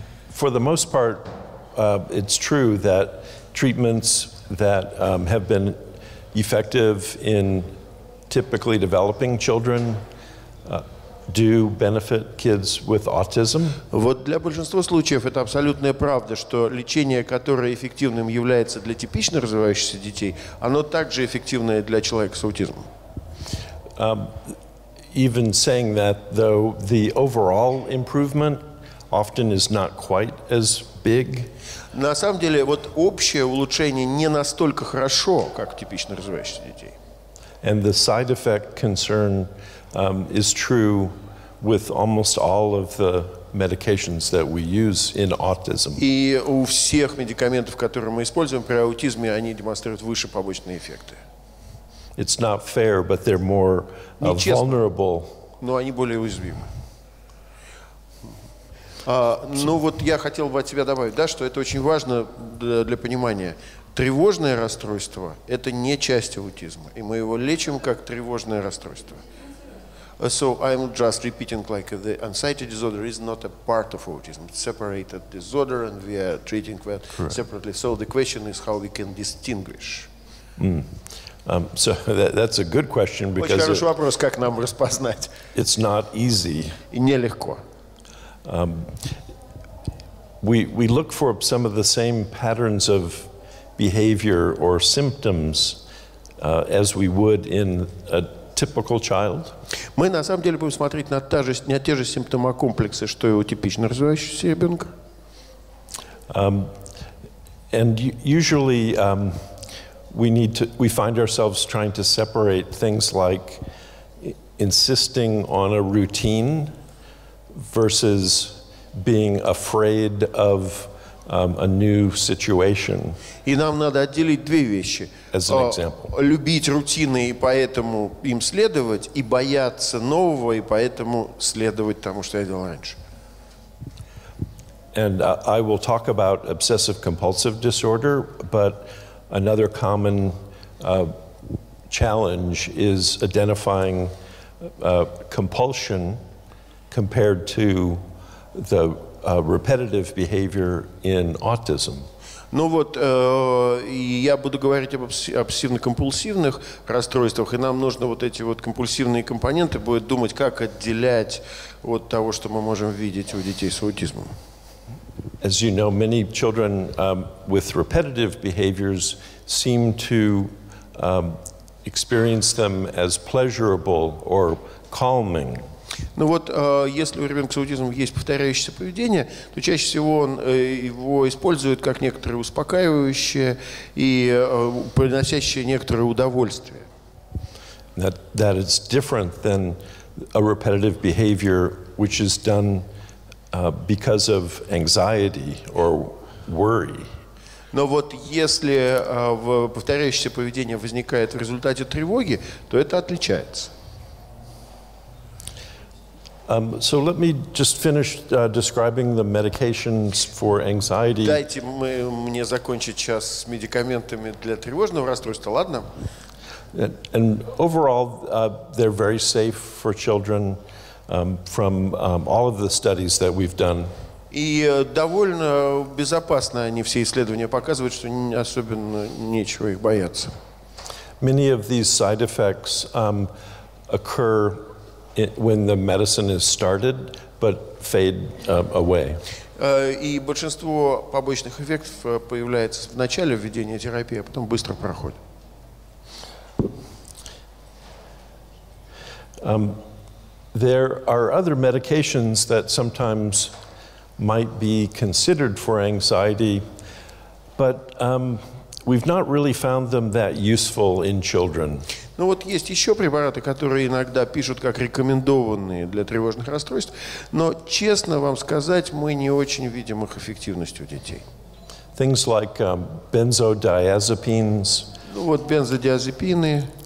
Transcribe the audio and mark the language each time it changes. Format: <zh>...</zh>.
<en>For the most part, it's true that treatments that have been effective in typically developing children do benefit kids with autism.</en> <ru>Вот для большинства случаев это абсолютная правда, что лечение, которое эффективным является для типично развивающихся детей, оно также эффективное для человека с аутизмом.</ru> <en>Even saying that, though, the overall improvement often is not quite as big.</en> <ru>На самом деле, вот общее улучшение не настолько хорошо, как типично развивающихся детей.</ru> <en>And the side effect concern is true with almost all of the medications that we use in autism.</en> <ru>И у всех медикаментов, которые мы используем при аутизме, они демонстрируют выше побочные эффекты.</ru> <en>It's not fair, but they're more vulnerable.</en> <ru>Но они более уязвимы. Ну вот я хотел бы от себя добавить, да, что это очень важно для понимания. Тревожное расстройство – это не часть аутизма, и мы его лечим как тревожное расстройство.</ru> <en>So I'm just repeating, like the anxiety disorder is not a part of autism. It's a separated disorder, and we are treating that separately. So the question is how we can distinguish. So that's a good question because</en> <ru>очень хороший вопрос, как нам распознать.</ru> <en>It's not easy.</en> <ru>И нелегко.</ru> <en>We look for some of the same patterns of behavior or symptoms as we would in a typical child.</en> <ru>Мы на самом деле будем смотреть на те же симптомокомплексы, что и у типично развивающегося ребенка.</ru> <en>And usually. We find ourselves trying to separate things like insisting on a routine versus being afraid of a new situation.</en> <ru>И нам надо отделить две вещи.</ru> <en>As an example.</en> <ru>Любить рутины и поэтому им следовать, и бояться нового и поэтому следовать тому, что я делал раньше.</ru> <en>And I will talk about obsessive-compulsive disorder, but another common challenge is identifying compulsion compared to the repetitive behavior in autism.</en> <ru>Ну вот, я буду говорить об обсессивно-компульсивных расстройствах, и нам нужно вот эти вот компульсивные компоненты будет думать, как отделять от того, что мы можем видеть у детей с аутизмом.</ru> <en>As you know, many children with repetitive behaviors seem to experience them as pleasurable or calming.</en> <ru>Ну вот, если у ребенка с аутизмом есть повторяющееся поведение, то чаще всего он его использует как некоторое успокаивающее и приносящее некоторое удовольствие.</ru> <en>That is different than a repetitive behavior which is done because of anxiety or worry.</en> <ru>Но вот если повторяющееся поведение возникает в результате тревоги, то это отличается.</ru> <en>So let me just finish describing the medications for anxiety.</en> <ru>Дайте мне закончить сейчас с медикаментами для тревожного расстройства, ладно?</ru> <en>And overall, they're very safe for children from all of the studies that we've done.</en> <ru>И довольно безопасно они, все исследования показывают, что особенно нечего их бояться.</ru> <en>Many of these side effects occur when the medicine is started, but fade away.</en> <ru>И большинство побочных эффектов появляется в начале введения терапии, а потом быстро проходит.</ru> <en>There are other medications that sometimes might be considered for anxiety, but we've not really found them that useful in children.</en> <ru>Ну вот есть еще препараты, которые иногда пишут как рекомендованные для тревожных расстройств, но честно вам сказать, мы не очень видим их эффективность у детей.</ru> <en>Things like benzodiazepines.</en> <ru>Ну вот бензодиазепины.</ru>